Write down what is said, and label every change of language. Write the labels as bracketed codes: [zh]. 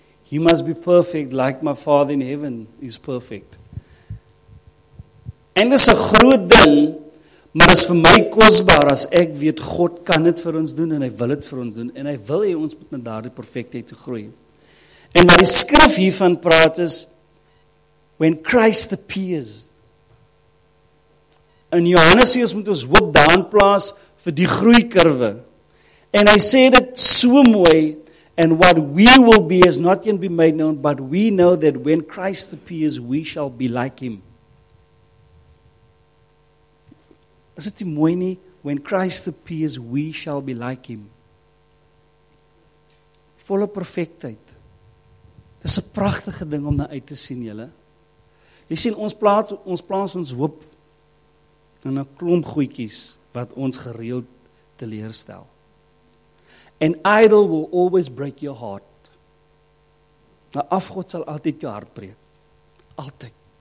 [en] He must be perfect like my Father in heaven is perfect. [af] En dis 'n groot ding, maar is vir my kosbaar as ek weet, God kan dit vir ons doen en hy wil dit vir ons doen en hy wil hy ons met na daardie perfectheid te groei. En wat die skrif hiervan praat is, [en] when Christ appears, [af] in Johannes sê, ons moet ons hoop daan plaas vir die groeikurwe. En hy sê dit so mooi, [en] and what we will be is not yet be made known, but we know that when Christ appears, we shall be like him. [af] Is dit nie mooi nie? [en] When Christ appears, we shall be like him. [af] Volle perfectheid. Dit is 'n pragtige ding om na uit te sien, julle. Jy sien, ons plaas ons hoop in 'n klomp goedjies wat ons gereeld teleerstel. [en] An idol will always break your heart. [af] 'N afgod sal altyd jou hart breek. Altyd.